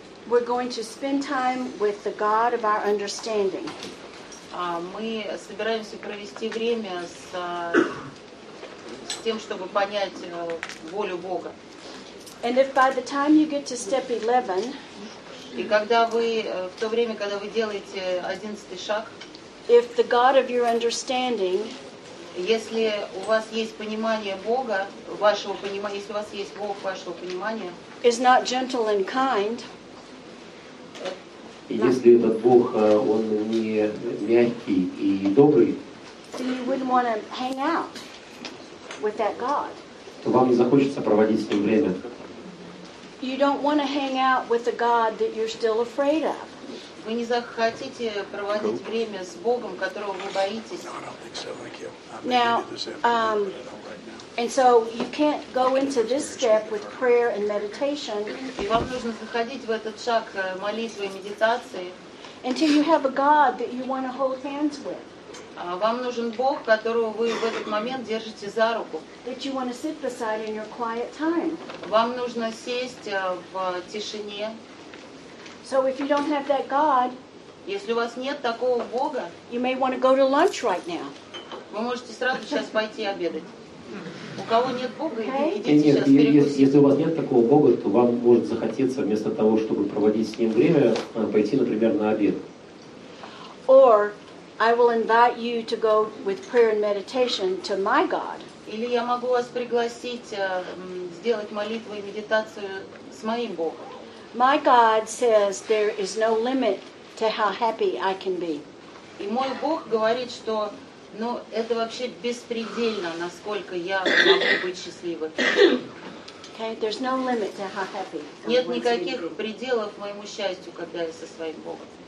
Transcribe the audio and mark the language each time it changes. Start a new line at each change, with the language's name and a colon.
English: We're going to spend time with the God of our understanding.
Russian: Мы собираемся провести время с тем, чтобы понять волю Бога.
English: And if by the time you get to step 11,
Russian: и когда вы в то время, когда вы делаете 11 шаг,
English: if the God of your understanding,
Russian: если у вас есть понимание Бога, вашего понимания, если у вас есть Бог вашего понимания,
English: is not gentle and kind.
Russian: И если этот Бог, он не мягкий и добрый,
English: then you wouldn't want to hang out with that God.
Russian: То вам не захочется проводить с ним время.
English: You don't want to hang out with a God that you're still afraid of.
Russian: Вы не захотите проводить время с Богом, которого вы боитесь.
English: Now, And so you can't go into this step with prayer and meditation.
Russian: И вам нужно заходить в этот шаг молитвы и медитации.
English: Until you have a God that you want to hold hands with.
Russian: Вам нужен Бог, которого вы в этот момент держите за руку.
English: That you want to sit beside in your quiet time.
Russian: Вам нужно сесть в тишине.
English: So if you don't have that God,
Russian: если у вас нет такого Бога,
English: you may want to go to lunch right now.
Russian: Вы можете сразу сейчас пойти обедать. У кого нет Бога, идите сейчас перекусить. Если у вас нет такого Бога, то вам может захотеться вместо того, чтобы проводить с ним время, пойти, например, на обед.
English: Or I will invite you to go with prayer and meditation to my God.
Russian: Или я могу вас пригласить сделать молитву и медитацию с моим Богом.
English: My God says there is no limit to how happy I can be.
Russian: И мой Бог говорит, что ну, это вообще беспредельно, насколько я могу быть счастливой.
English: Okay, there's no limit to how happy.
Russian: Нет никаких пределов моему счастью, когда я со своим Богом.